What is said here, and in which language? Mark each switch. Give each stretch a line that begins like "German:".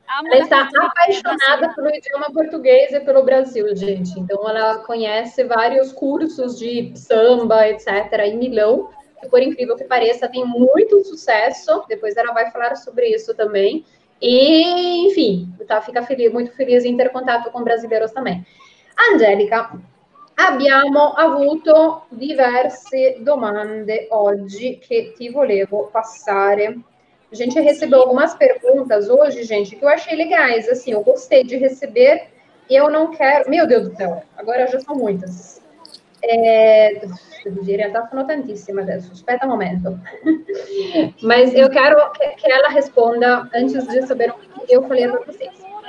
Italian: Lei sta appassionata per l'idioma portoghese e per il Brasile, gente, quindi
Portuguese: ela conhece vários cursos di samba, eccetera, in Milão, e por incrível que pareça, tem muito sucesso, depois ela vai falar sobre isso também. E, enfim, tá, fica feliz, muito feliz em ter contato com brasileiros também.
Italian: Angelica, abbiamo avuto diverse domande oggi che ti volevo passare.
Portuguese: A gente recebeu algumas perguntas hoje, gente, que eu achei legais, assim, eu gostei de receber e eu não quero... Meu Deus do céu, agora já são muitas. Em realidade, são tantíssimas, espera um momento. Mas eu quero que ela responda antes de saber o que eu falei para vocês.